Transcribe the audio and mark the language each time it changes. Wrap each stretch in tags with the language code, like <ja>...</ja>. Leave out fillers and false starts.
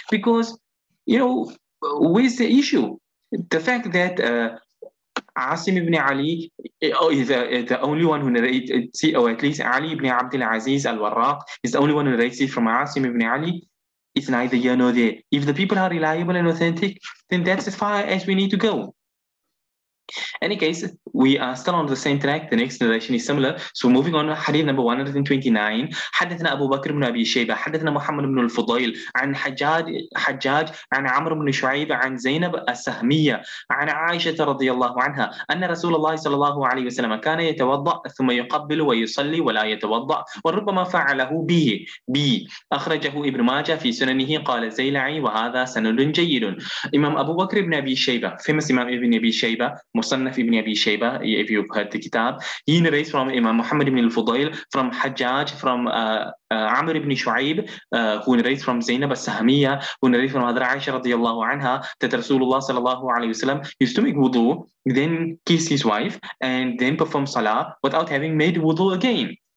<en>Because, you know, where's the issue? The fact that Asim ibn Ali is the only one who narrates it, or at least Ali ibn Abdul Aziz al-Warraq is the only one who narrates it from Asim ibn Ali. It's neither here nor there. If the people are reliable and authentic, then that's as far as we need to go. Any case, we are still on the same track. The next narration is similar. So moving on, hadith number 129.</en> <ar>حدثنا أبو بكر بن أبي شيبة حدثنا محمد بن الفضيل عن حجاج عن عمرو بن شعيب عن زينب السهمية عن عائشة رضي الله عنها أن رسول الله صلى الله عليه وسلم كان يتوضأ ثم يقبل ويصلي ولا يتوضأ وربما فعله به بي أخرجه ابن ماجه في سننه قال زيلعي وهذا سند جيد.</ar> <en>إمام أبو بكر بن أبي شيبة, famous إمام ابن أبي شيبة, Musannaf ibn Abi Shayba, if you've heard the kitab, he narrates from Imam Muhammad ibn al-Fudayl, from Hajjaj, from Amr ibn Shu'ayb, who narrates from Zainab al-Sahmiya, who narrates from Hadhrat Aisha radiallahu anha, that Rasulullah sallallahu alayhi wa sallam used to make wudu, then kiss his wife, and then perform salah without having made wudu again.</en>